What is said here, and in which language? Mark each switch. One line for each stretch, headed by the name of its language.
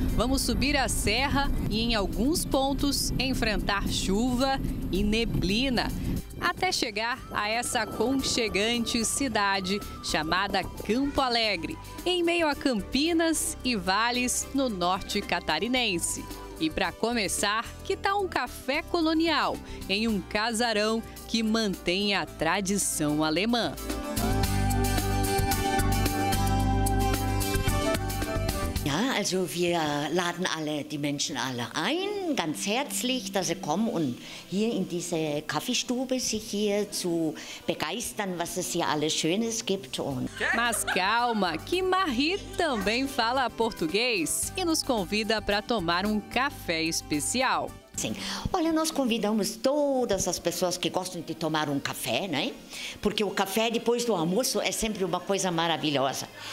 Portuguese: Vamos subir a serra e, em alguns pontos, enfrentar chuva e neblina, até chegar a essa aconchegante cidade chamada Campo Alegre, em meio a campinas e vales no norte catarinense. E para começar, que tal um café colonial em um casarão que mantém a tradição alemã?
German: Also wir laden alle die Menschen alle ein, ganz herzlich, dass sie kommen und hier in diese Kaffeestube sich hier zu begeistern, was es hier alles Schönes gibt.
Portuguese: Mas calma, que Marie também fala português e nos convida para tomar café especial. Sim. Olha, nós convidamos todas as pessoas que gostam de tomar café, né? Porque o café depois do almoço é sempre uma coisa maravilhosa.